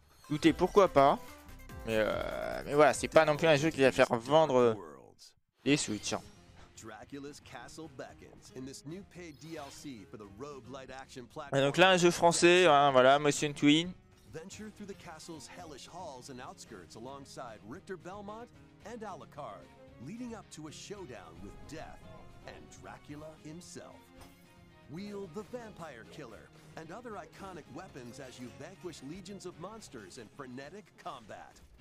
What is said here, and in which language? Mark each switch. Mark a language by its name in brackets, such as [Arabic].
[French] Douter, pourquoi pas, mais voilà, c'est pas non plus un jeu qui va faire vendre les Switch. [English] Dracula's Castle beckons in this new paid DLC for the roguelite action platform. [French] Et donc là, un jeu français, hein, voilà, Motion Twin. [English] Venture through the castle's hellish halls and outskirts alongside Richter Belmont and Alucard, leading up to a showdown with Death and Dracula himself. Wield the vampire killer and other iconic weapons as you vanquish legions of monsters in frenetic combat.